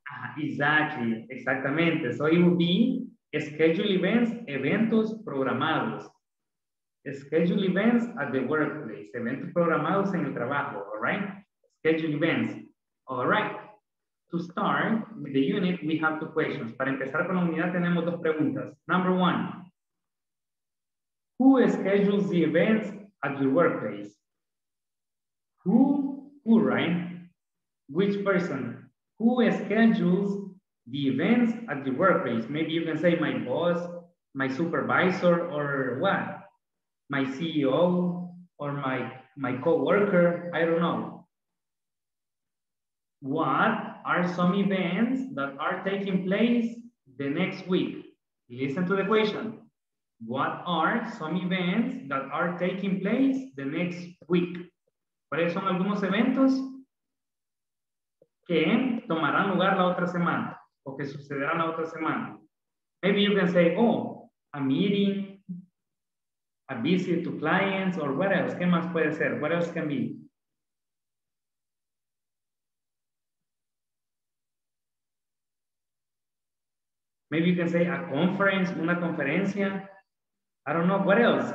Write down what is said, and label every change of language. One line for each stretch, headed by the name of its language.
English: Ah, exactly, exactamente. So it would be schedule events,
Spanish: eventos programados.
English: Schedule events at the workplace.
Spanish: Eventos programados en el trabajo,
English: all right? Schedule events. All right. To start with the unit, we have two questions.
Spanish: Para empezar con la unidad, tenemos dos preguntas.
English: Number one, who schedules the events at your workplace? Who, right? Which person? Who schedules the events at your workplace? Maybe you can say my boss, my supervisor, or what? My CEO, or my co-worker, I don't know. What are some events that are taking place the next week? Listen to the question. What are some events that are taking place the next week?
Spanish: ¿Cuáles son algunos eventos que tomarán lugar la otra semana o que sucederán la otra semana?
English: Maybe you can say, oh, a meeting, a visit to clients, or what else?
Spanish: ¿Qué más puede ser?
English: What else can be? Maybe you can say a conference,
Spanish: una conferencia.
English: I don't know. What else?